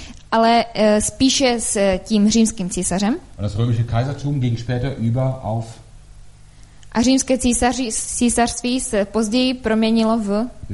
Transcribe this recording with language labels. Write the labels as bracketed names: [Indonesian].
[Czech] Ale spíše s tím římským císařem. [German] Und das römische Kaisertum ging später über auf. [Czech] A římské císařství se později proměnilo v.